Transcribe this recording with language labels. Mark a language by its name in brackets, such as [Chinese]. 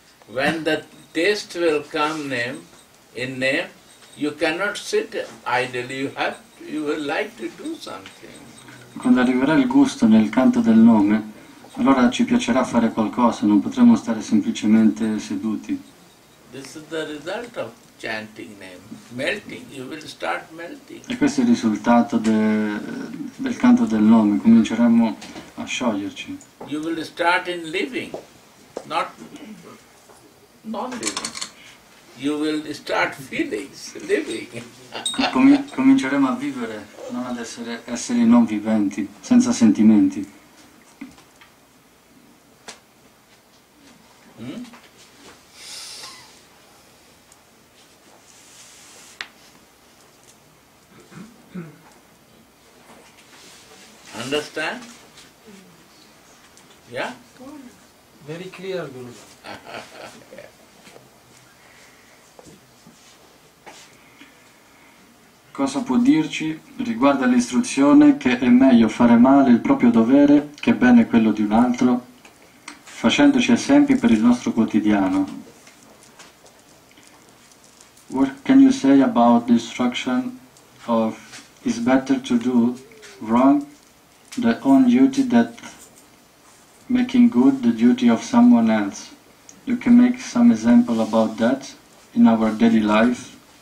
[English] When the taste will come in name, you cannot sit idle. You will like to do something. [Italian] Quando arriverà il gusto nel canto del nome, allora ci piacerà fare qualcosa. Non potremo stare semplicemente seduti. [English] This is the result of chanting name, melting. You will start melting. [Italian] E questo è il risultato del canto del nome. Cominceremo a scioglierci. [English] You will start in living, not non-living. You will start feelings, living. [Italian] Cominceremo a vivere, non ad essere esseri non viventi, senza sentimenti. [English] Understand? Yeah? Very clear, Guru. [Italian] Cosa può dirci riguardo all'istruzione che è meglio fare male il proprio dovere che bene quello di un altro, facendoci esempi per il nostro quotidiano? [English] What can you say about the instruction of it's better to do wrong the own duty than making good the duty of someone else? You can make some example about that in our daily life.